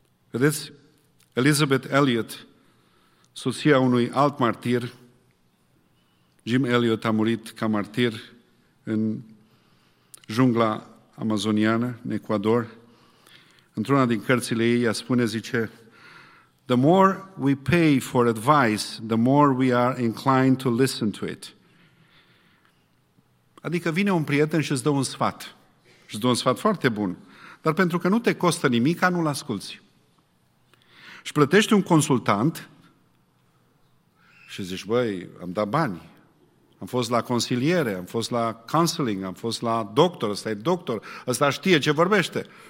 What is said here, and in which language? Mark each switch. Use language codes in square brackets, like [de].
[ro] Vedeți, Elizabeth Elliot, soția unui alt martir, Jim Elliot a murit ca martir în jungla amazoniană, în Ecuador. Într-una din cărțile ei, ea spune, zice, [en] The more we pay for advice, the more we are inclined to listen to it. [ro] Adică vine un prieten și îți dă un sfat. Și îți dă un sfat foarte bun. Dar pentru că nu te costă nimic, nu-l asculți. Și plătești un consultant și zici, băi, am dat bani. Am fost la consiliere, am fost la counseling, am fost la doctor, ăsta e doctor, ăsta știe ce vorbește.